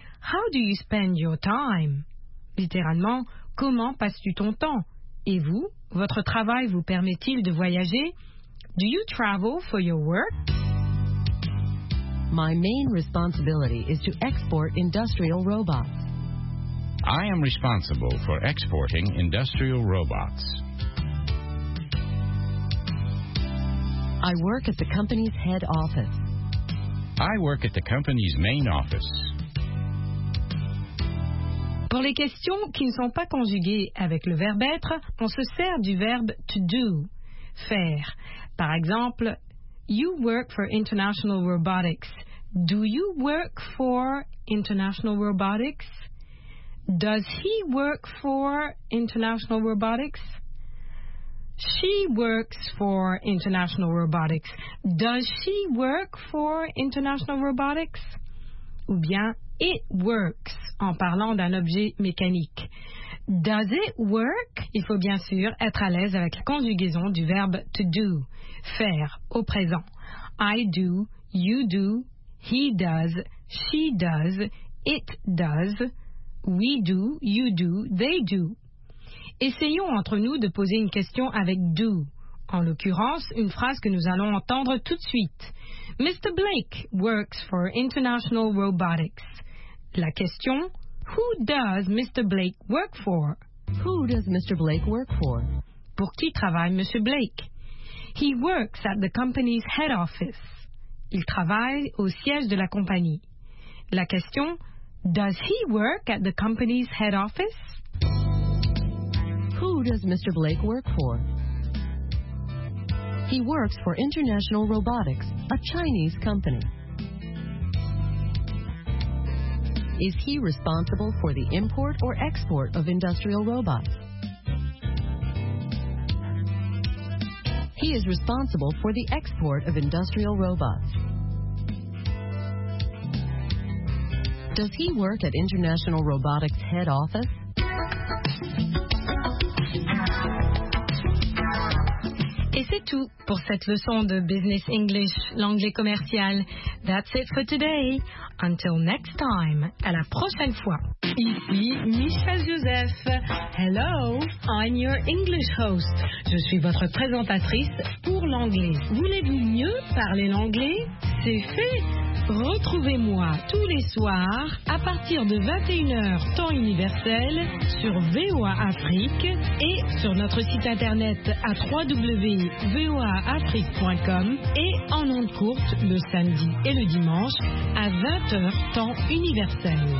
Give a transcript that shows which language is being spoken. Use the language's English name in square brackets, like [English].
[English] How do you spend your time? [French] Littéralement, comment passes-tu ton temps? Et vous, votre travail vous permet-il de voyager? [English] Do you travel for your work? My main responsibility is to export industrial robots. I am responsible for exporting industrial robots. I work at the company's head office. I work at the company's main office. [French] Pour les questions qui ne sont pas conjuguées avec le verbe être, on se sert du verbe to do, faire. Par exemple, [English] you work for International Robotics. Do you work for International Robotics? Does he work for International Robotics? She works for International Robotics. Does she work for International Robotics? [French] Ou bien, [English] it works, [French] en parlant d'un objet mécanique. [English] Does it work? [French] Il faut bien sûr être à l'aise avec la conjugaison du verbe to do, faire, au présent. [English] I do, you do, he does, she does, it does. We do, you do, they do. [French] Essayons entre nous de poser une question avec do. En l'occurrence, une phrase que nous allons entendre tout de suite. [English] Mr. Blake works for International Robotics. [French] La question, [English] who does Mr. Blake work for? Who does Mr. Blake work for? [French] Pour qui travaille Mr. Blake? [English] He works at the company's head office. [French] Il travaille au siège de la compagnie. La question, [English] does he work at the company's head office? Who does Mr. Blake work for? He works for International Robotics, a Chinese company. Is he responsible for the import or export of industrial robots? He is responsible for the export of industrial robots. Does he work at International Robotics head office? [French] Et c'est tout pour cette leçon de Business English, l'anglais commercial. [English] That's it for today. Until next time. [French] À la prochaine fois. Ici Michel Joseph. [English] Hello, I'm your English host. [French] Je suis votre présentatrice pour l'anglais. Voulez-vous mieux parler l'anglais? C'est fait. Retrouvez-moi tous les soirs à partir de 21h temps universel sur VOA Afrique et sur notre site internet à www.voaafrique.com et en ondes courtes le samedi et le dimanche à 20h temps universel.